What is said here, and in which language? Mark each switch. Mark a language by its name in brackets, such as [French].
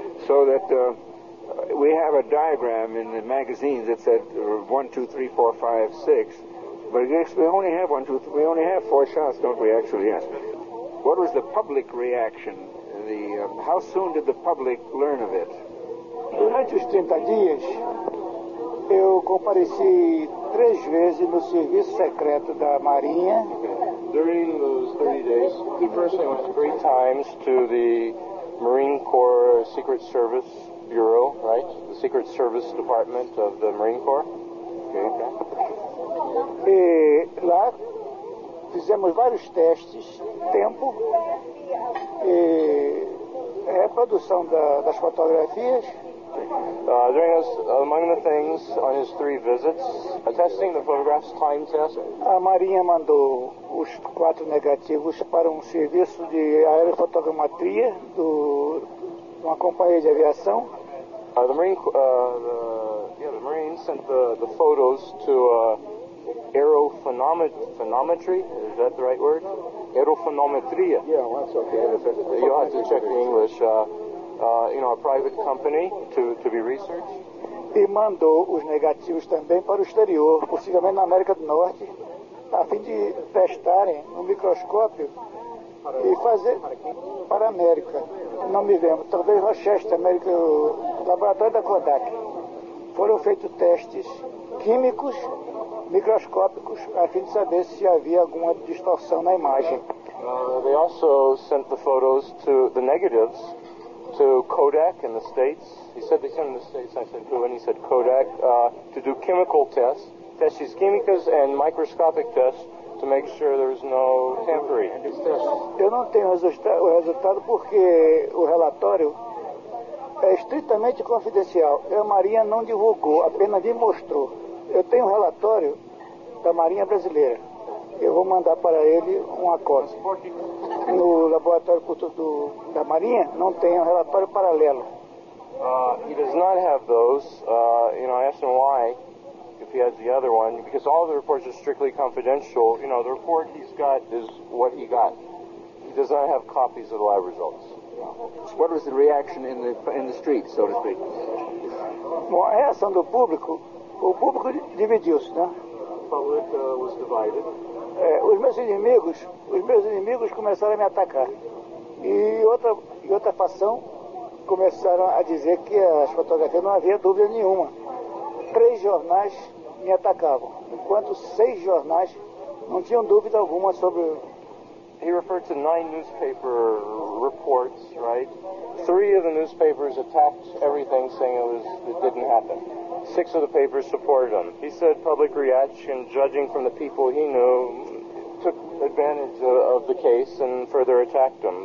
[English] So that we have a diagram in the magazines that said 1, 2, 3, 4, 5, 6. But we only have 1, 2, 3, we only have 4 shots, don't we, actually? Yes. What was the public reaction? How soon did the public learn of it? [Portuguese] Durante os 30 dias, eu compareci 3 vezes no serviço secreto da Marinha. [English] During those 30 days, he personally went 3 times to the Marine Corps Secret Service Bureau, right? The Secret Service Department of the Marine Corps. Okay. [Portuguese] E lá fizemos vários testes, tempo, e reprodução das fotografias. [English] During those, among the things on his 3 visits, testing the photographs, time test. [Portuguese] A Marinha mandou os 4 negativos para um serviço de aerofotogrametria de uma companhia de aviação. [English] The Marine sent the photos to aerophonometry, is that the right word? [Portuguese] Aerophonometria. [English] Yeah, well, that's okay. You'll have to check the English. A private company to be researched. [Portuguese] E mandou os negativos também para o exterior, possivelmente na América do Norte, a fim de testarem no microscópio e fazer para a América. Não me lembro, talvez Rochester, América, o laboratório da Kodak. Foram feitos testes químicos, microscópicos, a fim de saber se havia alguma distorção na imagem. [English] They also sent the photos to the negatives to Kodak in the States. He said they sent them to the States, I said who, and he said Kodak, to do chemical tests, [Portuguese] testes químicas [English] and microscopic tests to make sure there's no tampering. [Portuguese] Eu não tenho o resultado porque o relatório é estritamente confidencial. A Marinha não divulgou, apenas me mostrou. Eu tenho um relatório da Marinha Brasileira. Eu vou mandar para ele uma cópia. No laboratório da Marinha, não tem um relatório paralelo. [English] He does not have those. I asked him why, if he has the other one, because all the reports are strictly confidential. You know, the report he's got is what he got. He does not have copies of the lab results. What was the reaction in the street, so to speak? [Portuguese] Bom, a reação do público, o público dividiu-se, né? [English] The public was divided. [Portuguese] Os meus inimigos começaram a me atacar. E outra facção começaram a dizer que as fotografias não havia dúvida nenhuma. 3 jornais me atacavam, enquanto 6 jornais não tinham dúvida alguma sobre... [English] He referred to 9 newspaper reports, right? 3 of the newspapers attacked everything, saying it didn't happen. 6 of the papers supported him. He said public reaction, judging from the people he knew, took advantage of the case and further attacked him.